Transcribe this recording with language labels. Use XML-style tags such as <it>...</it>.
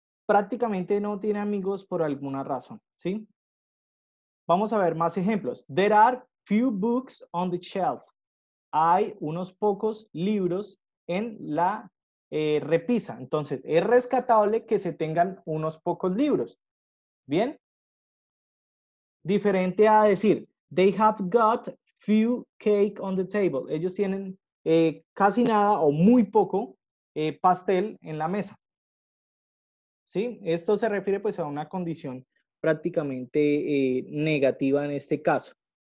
<es>prácticamente no tiene amigos por alguna razón, ¿sí? Vamos a ver más ejemplos.</es> <en>There are few books on the shelf.</en> <es>Hay unos pocos libros en la repisa. Entonces, es rescatable que se tengan unos pocos libros. ¿Bien? Diferente a decir,</es> <en>they have got few cake on the table.</en> <es>Ellos tienen casi nada o muy poco pastel en la mesa. ¿Sí? Esto se refiere pues a una condición prácticamente negativa en este caso.</es>